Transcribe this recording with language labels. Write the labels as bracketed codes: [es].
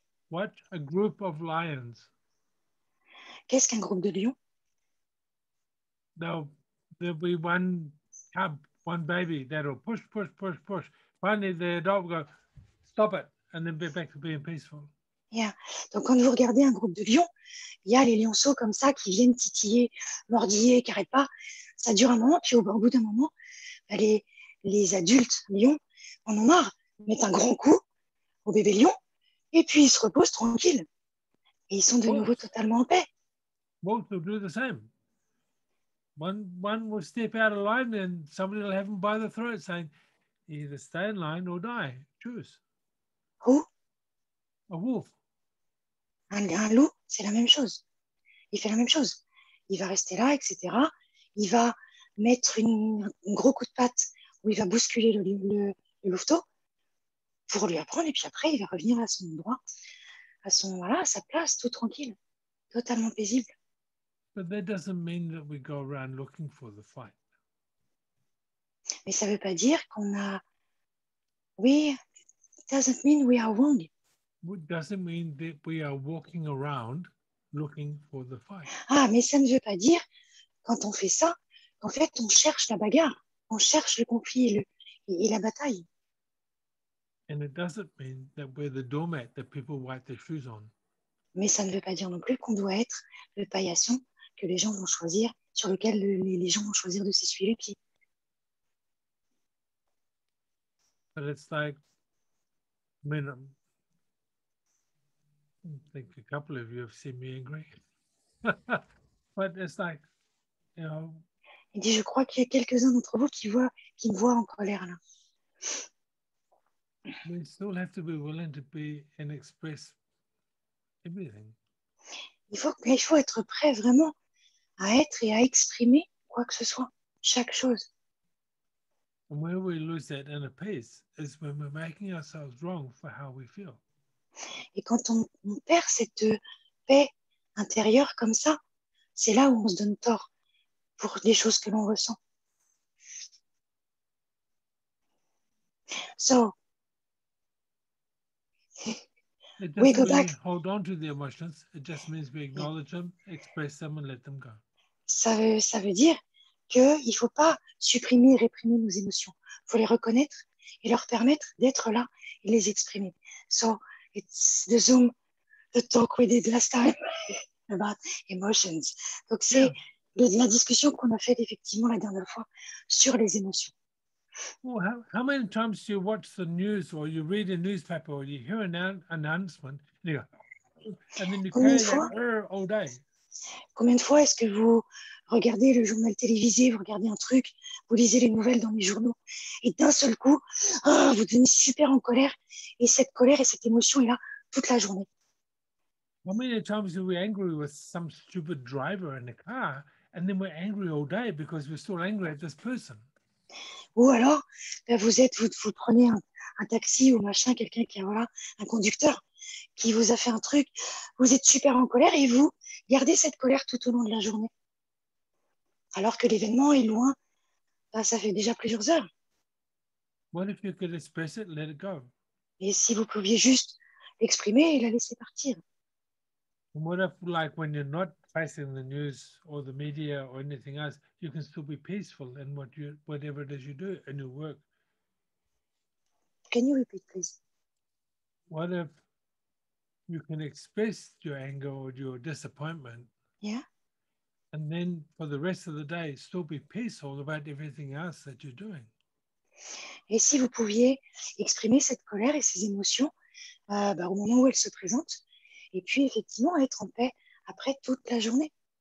[en] What a group of lions. [fr] Qu'est-ce qu'un groupe de lions? [en] There'll be one cub, one baby that'll push. Finally, the adult will go, stop it, and then be back to being peaceful. Yeah. [fr] Donc, quand vous regardez un groupe de lions, il y a les lionceaux comme ça qui viennent titiller, mordiller, qui n'arrêtent pas. Ça dure un moment, puis au bout d'un moment, les adultes lions en ont marre, mettent un grand coup au bébé lion. Et puis ils se reposent tranquilles. Et ils sont de nouveau totalement en paix. [en] Wolves will do the same. One will step out of line and somebody will have them by the throat saying, either stay in line or die. Choose. Who? A wolf. [fr] Un loup, c'est la même chose. Il fait la même chose. Il va rester là, etc. Il va mettre un gros coup de patte où il va bousculer le louveteau. Pour lui apprendre, et puis après, il va revenir à son endroit, à son voilà, à sa place, tout tranquille, totalement paisible. [en] But that doesn't mean that we go around looking for the fight. [fr] Mais ça ne veut pas dire qu'on a. [en] Oui, it doesn't mean we are wrong. It doesn't mean that we are walking around looking for the fight. [fr] Ah, mais ça ne veut pas dire quand on fait ça qu'en fait on cherche la bagarre, on cherche le conflit et la bataille. [en] And it doesn't mean that we're the doormat that people wipe their shoes on. [fr] Mais ça ne veut pas dire non plus qu'on doit être le paillasson que les gens vont choisir, sur lequel les gens vont choisir de s'essuyer les pieds. [en] But it's like, I mean, I think a couple of you have seen me angry. But it's like, you know. [fr] Il dit, je crois qu'il y a quelques-uns d'entre vous qui me voient en colère là. [en] We still have to be willing to be and express everything. [fr] Il faut être prêt vraiment à être et à exprimer quoi que ce soit, chaque chose. [en] And where we lose that inner peace is when we're making ourselves wrong for how we feel. [fr] Et quand on perd cette paix intérieure comme ça, c'est là où on se donne tort pour les choses que l'on ressent. [en] So. It doesn't mean back. Hold on to the emotions. It just means we acknowledge them, express them, and let them go. [fr] Ça veut dire que il faut pas supprimer, réprimer nos émotions. Il faut les reconnaître et leur permettre d'être là et les exprimer. [en] So it's the Zoom, the talk we did last time about emotions. [fr] Donc c'est la discussion qu'on a faite effectivement la dernière fois sur les émotions. [en] Well, how many times do you watch the news or you read a newspaper or you hear an announcement and then you carry that all day? [fr] Combien de fois est-ce que vous regardez le journal télévisé, vous regardez un truc, vous lisez les nouvelles dans les journaux et d'un seul coup, oh, vous devenez super en colère et cette colère et cette émotion est là toute la journée? [en] How many times are we angry with some stupid driver in the car and then we're angry all day because we're still angry at this person? [fr] Ou alors, ben vous prenez un taxi ou machin, quelqu'un qui est voilà, un conducteur qui vous a fait un truc, vous êtes super en colère et vous gardez cette colère tout au long de la journée. Alors que l'événement est loin, ben, ça fait déjà plusieurs heures. [en] What if you could express it, let it go? [fr] Et si vous pouviez juste l'exprimer et la laisser partir? [en] What if, like, when you're not facing the news or the media or anything else, you can still be peaceful in what you, whatever it is you do in your work? Can you repeat, please? What if you can express your anger or your disappointment? Yeah. And then for the rest of the day, still be peaceful about everything else that you're doing. [fr] Et si vous pouviez exprimer cette colère et ces émotions au moment où elles se présentent, et puis effectivement être en paix après toute la journée.